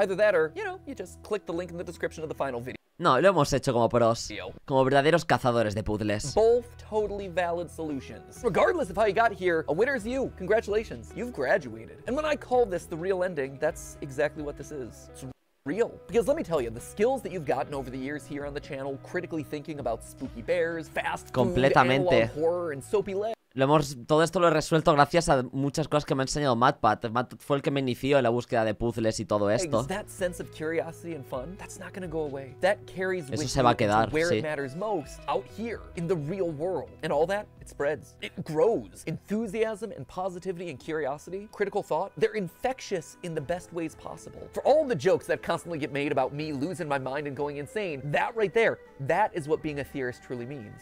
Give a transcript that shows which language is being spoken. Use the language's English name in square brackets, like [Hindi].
[English] Either that or, you know, you just click the link in the description of the final video. [Spanish] No, lo hemos hecho como pros, como verdaderos cazadores de puzzles. [English] Both totally valid solutions. Regardless of how you got here, a winner's you. Congratulations, you've graduated. And when I call this the real ending, that's exactly what this is. It's real. Because let me tell you, the skills that you've gotten over the years here on the channel, critically thinking about spooky bears, fast food, analog horror, and soapy legs. [Spanish] Lo hemos, todo esto lo he resuelto gracias a muchas cosas que me ha enseñado MatPat. MatPat fue el que me inició en la búsqueda de puzzles y todo esto. [English] That sense of curiosity and fun, that's not gonna go away. That carries [Spanish] eso se va a quedar, [English] where [Spanish] sí. [English] It matters most, out here, in the real world. And all that, it spreads. It grows. Enthusiasm and positivity and curiosity, critical thought, they're infectious in the best ways possible. For all the jokes that constantly get made about me losing my mind and going insane, that right there, that is what being a theorist truly means.